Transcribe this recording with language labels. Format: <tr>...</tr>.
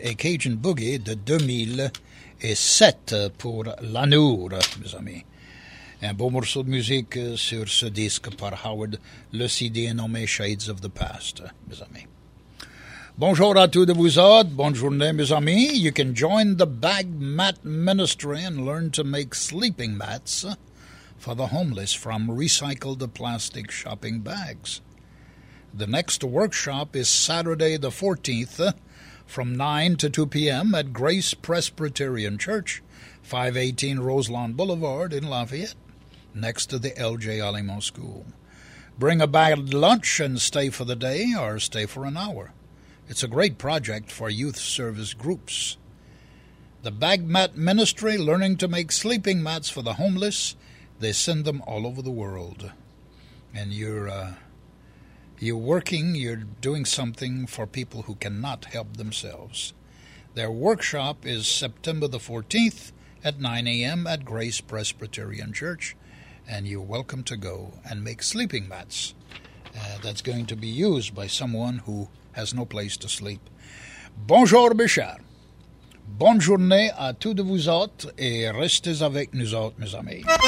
<fr>et Cajun Boogie de 2007 pour l'Anour, mes amis. Un beau morceau de musique sur ce disque par Howard, le CD est nommé Shades of the Past, mes amis. Bonjour à tous de vous autres, bonne journée mes amis.</fr> <en>You can join the Bag Mat Ministry and learn to make sleeping mats for the homeless from recycled plastic shopping bags. The next workshop is Saturday the 14th from 9 to 2 p.m. at Grace Presbyterian Church, 518 Roselawn Boulevard in Lafayette, next to the L.J. Alimont School. Bring a bag of lunch and stay for the day or stay for an hour. It's a great project for youth service groups. The Bag Mat Ministry, learning to make sleeping mats for the homeless. They send them all over the world. And you're working, you're doing something for people who cannot help themselves. Their workshop is September the 14th at 9 a.m. at Grace Presbyterian Church. And you're welcome to go and make sleeping mats. That's going to be used by someone who has no place to sleep.</en> <fr>Bonjour, Bichard. Bonne journée à tous de vous autres et restez avec nous autres, mes amis.</fr>